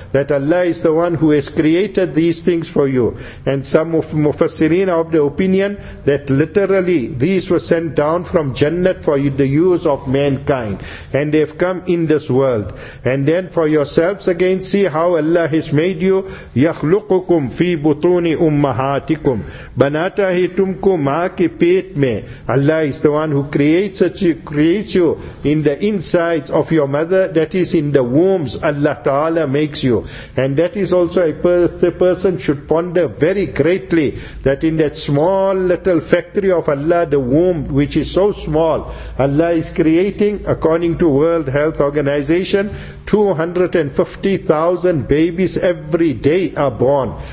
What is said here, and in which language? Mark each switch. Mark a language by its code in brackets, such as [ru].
[en] That Allah is the one who has created these things for you. And some of mufassirin of the opinion that literally these were sent down from Jannat for the use of mankind. And they have come in this world. And then for yourselves again, see how Allah has made you. [ar] يَخْلُقُكُمْ فِي بُطُونِ أُمَّهَاتِكُمْ. [ur] بناتا ہے تم کو ماں کے پیٹ میں. [en] Allah is the one who creates you in the insides of your mother, that is in the wombs Allah Ta'ala makes you. And that is also a person should ponder very greatly, that in that small little factory of Allah, the womb which is so small, Allah is creating, according to World Health Organization, 250,000 babies every day are born.